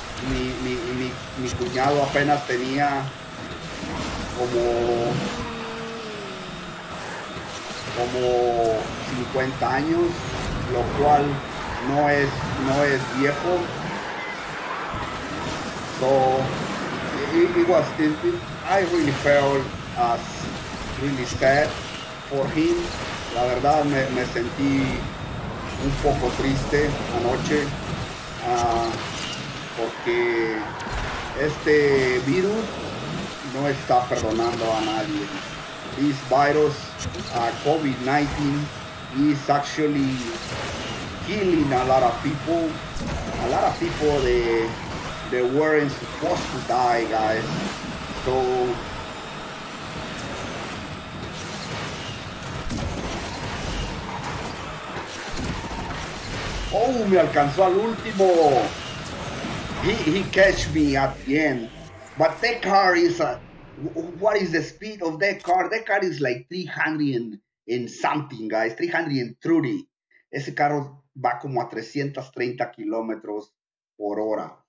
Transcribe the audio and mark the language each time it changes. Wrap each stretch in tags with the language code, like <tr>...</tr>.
<es>Mi cuñado apenas tenía como 50 años, lo cual no es viejo.</es> <en>So I really felt as really sad for him.</en> <es>La verdad me sentí un poco triste anoche porque este virus no está perdonando a nadie.</es> <en>This virus, COVID-19, is actually killing a lot of people. A lot of people they weren't supposed to die, guys.</en> <es>So oh, me alcanzó al último.</es> <en>He catch me at the end. But that car is what is the speed of that car? That car is like 300 and something, guys. 330.</en> <es>Ese carro va como a 330 kilómetros por hora.</es>